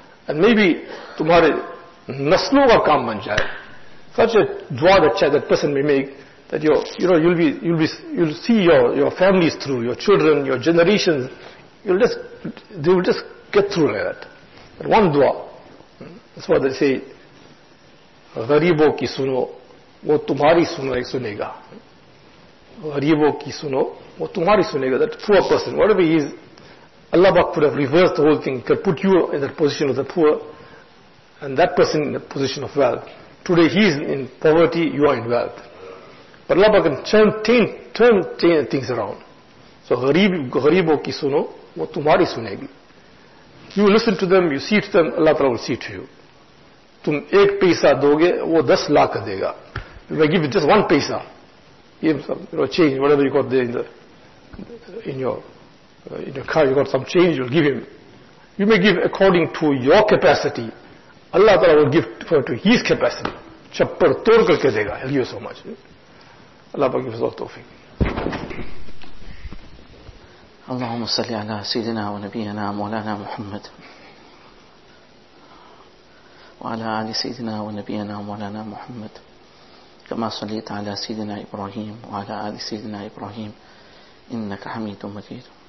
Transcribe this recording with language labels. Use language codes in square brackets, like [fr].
[en] And maybe [ur] tumhare naslo ka kaam ban jaye. [en] Such a dua that person may make, that you'll see your families through, your children, your generations. They will just get through like that. But one dua. That's what they say, [ur] غریبوں کی سنو وہ تمہاری سنے گا. غریبوں کی سنو وہ تمہاری سنے گا. [en] That poor person, whatever he is, Allah Pak could have reversed the whole thing, could put you in the position of the poor, and that person in the position of wealth. Today he is in poverty, you are in wealth. But Allah Pak can turn things around. [ur] So غریبوں کی سنو وہ تمہاری سنے گی. [en] You listen to them, you see to them, Allah Ta'ala will see to you. [ur] Tum ek paisa doge, wo 10 lakh dega. [en] If I give you just one paisa, give some, you know, change, whatever you got there in your car, you got some change, you'll give him. You may give according to your capacity. Allah Ta'ala will give to his capacity. [ur] Chappar tor karke dega, [en] he'll give you so much. Allah Ta'ala gives all tawfiq. [ar] اللهم صل على سيدنا ونبينا مولانا محمد وعلى آل سيدنا ونبينا مولانا محمد كما صليت على سيدنا إبراهيم وعلى آل سيدنا إبراهيم إنك حميد مجيد.